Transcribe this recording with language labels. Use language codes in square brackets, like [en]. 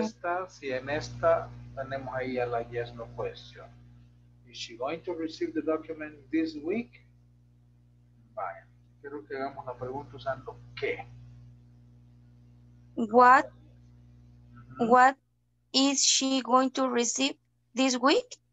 [es] Esta, si en esta tenemos ahí a la yes no question. [en] Is she going to receive the document this week? [es] Vaya, quiero que hagamos la pregunta usando qué. [en] What, what is she going to receive this week?